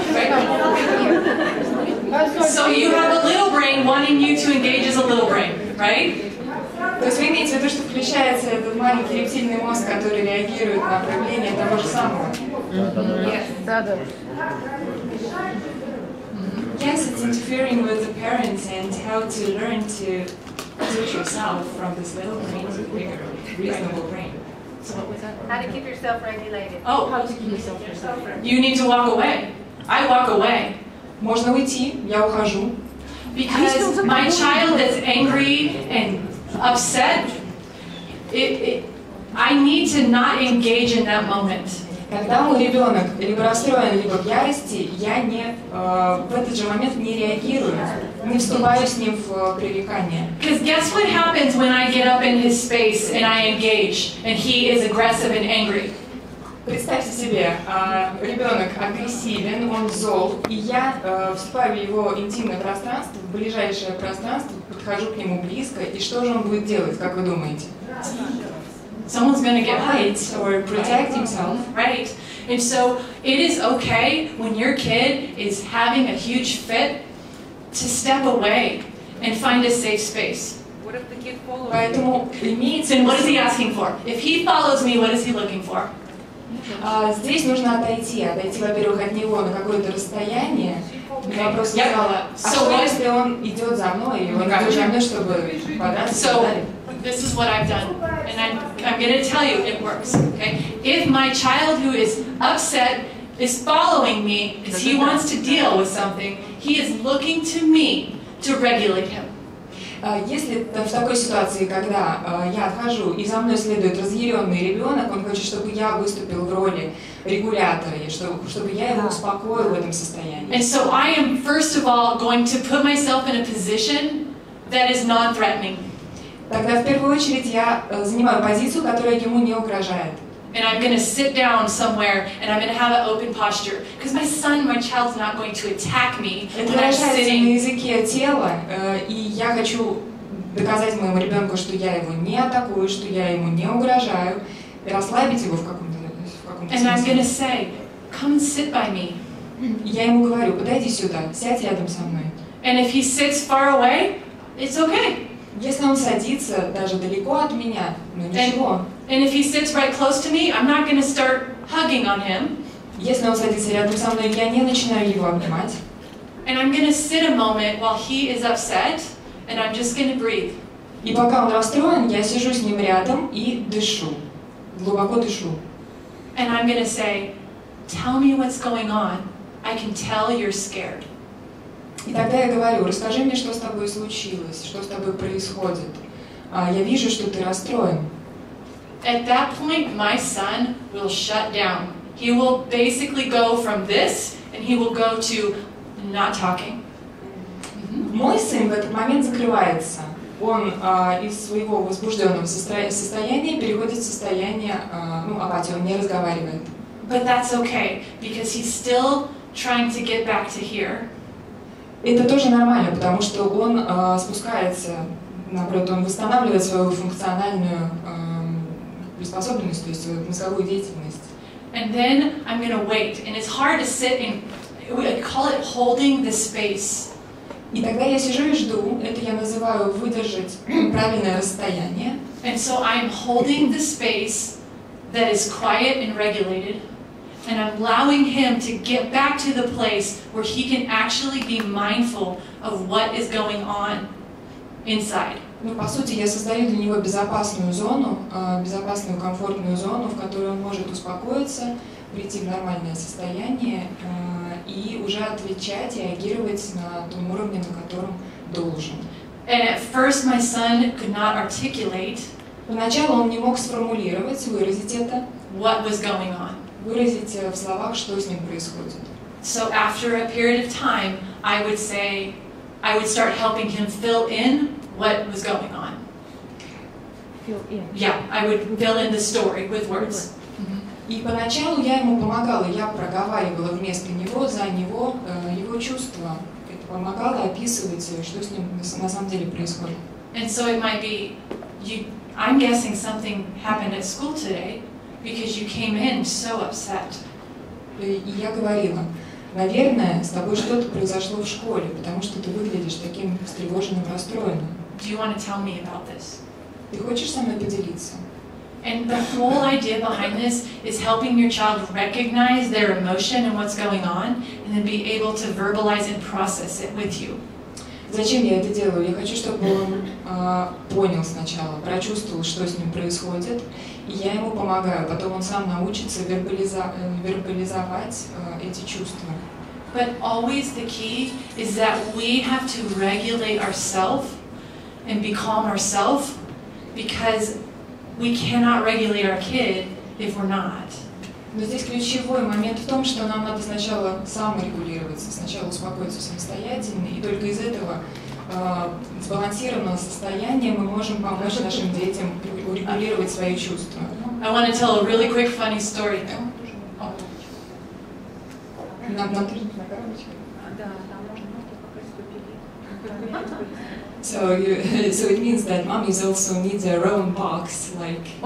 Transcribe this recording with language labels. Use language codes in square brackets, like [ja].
[en] So you have a little brain wanting you to engage as a little brain, right? [ru] То есть вы имеете в виду, что включается этот маленький рептильный мозг, который реагирует на проявление того же самого? Да, да. [en] Yes, it's interfering with the parents and how to learn to teach yourself from this little brain to bigger, reasonable brain. So what was that? How to keep yourself regulated. Oh, how to keep yourself regulated. You need to walk away. I walk away. [ru] Можно уйти, я ухожу. [en] Because my child is angry and upset, I need to not engage in that moment. [ru] Когда мой ребенок либо расстроен, либо в ярости, я не в этот же момент не реагирую, не вступаю с ним в пререкание. [en] Because guess what happens when I get up in his space and I engage, and he is aggressive and angry. [ru] Представьте себе, ребенок агрессивен, он зол, и я вступаю в его интимное пространство, в ближайшее пространство, подхожу к нему близко, и что же он будет делать, как вы думаете? [en] Someone's gonna get hurt or protect himself. Right. And so it is okay when your kid is having a huge fit to step away and find a safe space. What if the kid follows [ru] Поэтому, [en] you? And what is he asking for? If he follows me, what is he looking for? [ru] Здесь нужно отойти. Отойти, во-первых, от него на какое-то расстояние. Я просто сказала, а что если он идет за мной, и он идет за мной, чтобы податься? [en] This is what I've done, and I'm going to tell you it works. Okay? If my child who is upset is following me because he wants to deal with something, he is looking to me to regulate him. [ru] Если в такой ситуации, когда я отхожу и за мной следует разъяренный ребенок, он хочет, чтобы я выступил в роли регулятора, и чтобы я его успокоил в этом состоянии. [en] And so I am first of all going to put myself in a position that is non-threatening. [ru] Тогда в первую очередь я занимаю позицию, которая ему не угрожает. [en] And I'm going to sit down somewhere, and I'm going to have an open posture, because my son, my child's not going to attack me when I'm sitting. [ru] Это выражается на языке тела, и я хочу доказать моему ребенку, что я его не атакую, что я ему не угрожаю, и расслабить его в каком-то смысле. [en] And I'm going to say, come and sit by me. [ru] Я ему говорю, подойди сюда, сядь рядом со мной. [en] And if he sits far away, it's okay. [ru] Если он садится даже далеко от меня, ну ничего. [en] And if he sits right close to me, I'm not going to start hugging on him. [ru] Если он садится рядом со мной, я не начинаю его обнимать. [en] And I'm going to sit a moment while he is upset, and I'm just going to breathe. [ru] И пока он расстроен, я сижу с ним рядом и дышу. Глубоко дышу. [en] And I'm going to say, tell me what's going on. I can tell you're scared. [ru] И тогда я говорю, расскажи мне, что с тобой случилось, что с тобой происходит. Я вижу, что ты расстроен. [en] At that point, my son will shut down. He will basically go from this, and he will go to not talking. [ru] Мой сын в этот момент закрывается. Он из своего возбужденного состояния переходит в состояние апатии, он не разговаривает. [en] But that's okay, because he's still trying to get back to here. [ru] Это тоже нормально, потому что он спускается, наоборот, он восстанавливает свою функциональную приспособленность, то есть свою мозговую деятельность. [en] And then I'm going to wait. And it's hard to sit in, I call it holding the space. [ru] И тогда я сижу и жду. Это я называю выдержать правильное расстояние. [en] And so I'm holding the space that is quiet and regulated. and allowing him to get back to the place where he can actually be mindful of what is going on inside. [ru] Ну, по сути, я создаю для него безопасную зону, безопасную, комфортную зону, в которой он может успокоиться, прийти в нормальное состояние и уже отвечать и реагировать на том уровне, на котором должен. [en] And at first my son could not articulate. [ru] Поначалу он не мог сформулировать, выразить это. [en] What was going on? [ru] Выразить в словах, что с ним происходит. [en] So after a period of time, I would say, I would start helping him fill in what was going on. Fill in. Yeah, I would fill in the story with words. [ru] И поначалу я ему помогала, я проговаривала вместо него, за него, его чувства. Это помогало описывать, что с ним на самом деле происходит. [en] And so it might be, I'm guessing something happened at school today because you came in so upset. [ru] И я говорила, наверное, с тобой что-то произошло в школе, потому что ты выглядишь таким встревоженным, расстроенным. [en] Do you want to tell me about this? [ru] Ты хочешь со мной поделиться? [en] And the whole idea behind this is helping your child recognize their emotion and what's going on, and then be able to verbalize and process it with you. [ru] Зачем я это делаю? Я хочу, чтобы он понял сначала, прочувствовал, что с ним происходит, и я ему помогаю. Потом он сам научится вербализовать эти чувства. [en] But always the key is that we have to regulate ourselves and be calm ourselves, because we cannot regulate our kid if we're not. [ru] Но здесь ключевой момент в том, что нам надо сначала саморегулироваться, сначала успокоиться самостоятельно, и только из этого сбалансированного состояния мы можем помочь нашим детям урегулировать свои чувства. [en] I want to tell a really quick funny story. [ru] Да, там можно попросить. [en] So it means that mommies also need their own box, like